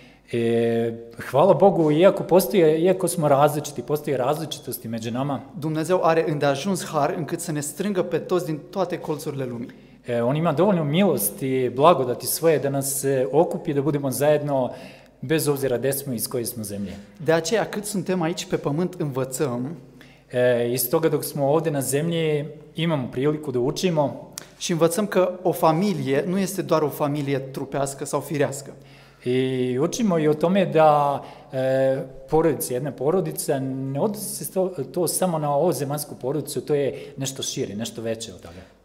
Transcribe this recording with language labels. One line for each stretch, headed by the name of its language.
Serbian: e, hvala Bogu, iako smo različiti, postoje različitosti među nama.
Romanian: Dumnezeu are îndeajuns har încât să ne strângă pe toți din toate colțurile lumii.
Serbian: E, on ima dovoljno milosti, blagodati svoje da nas okupi, da budemo zajedno bez obzira gde smo iz koje smo zemlje.
Romanian: De aceea, cât suntem aici pe pământ, învățăm.
Serbian: E, iz toga dok smo ovde na zemlji, imamo priliku da učimo.
Romanian: Și învățăm că o familie nu este doar o familie trupească sau firească.
Serbian: I učimo i o tome da porodica, jedna porodica, ne odnosi se to samo na ovu zemaljsku porodicu, to je nešto šire, nešto veće od toga.